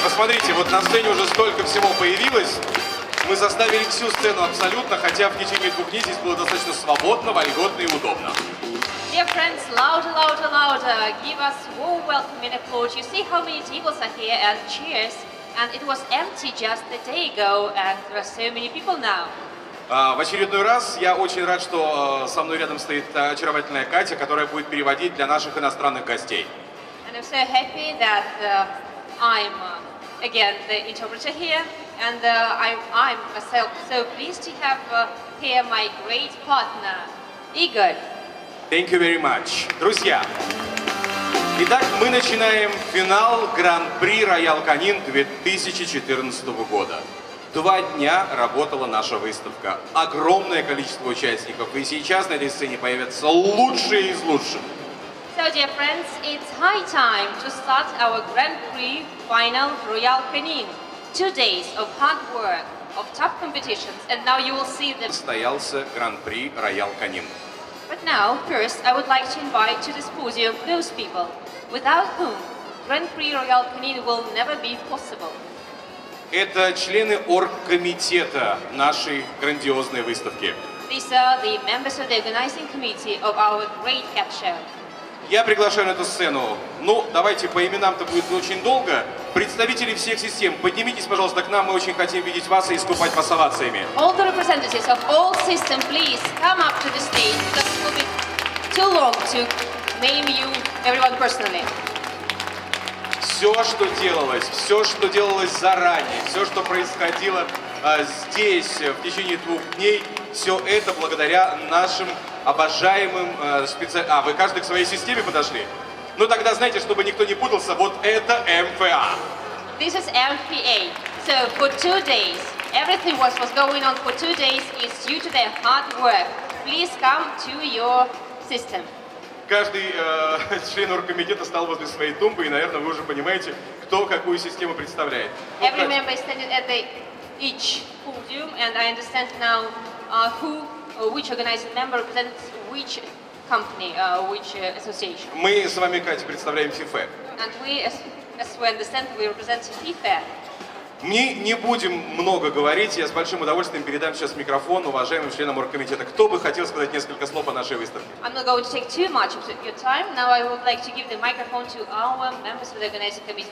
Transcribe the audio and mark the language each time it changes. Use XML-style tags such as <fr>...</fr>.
<ru>Посмотрите, вот на сцене уже столько всего появилось. Мы заставили всю сцену абсолютно, хотя в течение двух дней здесь было достаточно свободно, вольготно и удобно.</ru> <en>Dear friends, louder, louder, louder. Give us warm welcome and applause. You see how many tables are here and cheers. And it was empty just a day ago, and there are so many people now.</en> <ru>В очередной раз я очень рад, что со мной рядом стоит очаровательная Катя, которая будет переводить для наших иностранных гостей.</ru> <en>And I'm so happy that I'm again the interpreter here, and I'm myself so pleased to have here my great partner, Игорь. Thank you very much.</en> <ru>Друзья, итак, мы начинаем финал Гран-при Роял Канин 2014 года. Два дня работала наша выставка. Огромное количество участников. И сейчас на этой сцене появятся лучшие из лучших.</ru> <en>So, dear friends, it's high time to start our Grand Prix final Royal Canin. Two days of hard work, of top competitions, and now you will see the...</en> <ru>Состоялся Гран-при Роял Канин.</ru> <en>But now, first, I would like to invite to this podium those people, without whom Grand Prix Royal Canin will never be possible.</en> <ru>Это члены оргкомитета нашей грандиозной выставки.</ru> <en>These are the members of the organizing committee of our great cat show.</en> <ru>Я приглашаю на эту сцену. Ну, давайте, по именам-то будет не очень долго. Представители всех систем, поднимитесь, пожалуйста, к нам. Мы очень хотим видеть вас и искупать вас овациями.</ru> <en>All the representatives of all systems, please come up to the stage, because it will be too long to name you everyone personally.</en> <ru>Все, что делалось заранее, все, что происходило здесь в течение двух дней, все это благодаря нашим обожаемым специалистам. А, вы каждый к своей системе подошли? Ну тогда, знаете, чтобы никто не путался, вот это МФА.</ru> <en>This is MFA. So for two days, everything what was going on for two days is due to their hard work. Please come to your system.</en> <ru>Каждый член оргкомитета стал возле своей тумбы, и, наверное, вы уже понимаете, кто какую систему представляет.</ru> <en>Every member is standing at the each podium, and I understand now who or which organizing member represents which company, which association.</en> <ru>Мы с вами, Катя, представляем FIFA.</ru> <en>And we, as we understand, we represent FIFA.</en> <ru>Мы не будем много говорить, я с большим удовольствием передам сейчас микрофон уважаемым членам оргкомитета. Кто бы хотел сказать несколько слов о нашей выставке?</ru> <en>I'm not going to take too much of your time. Now I would like to give the microphone to our members of the organizing committee.</en>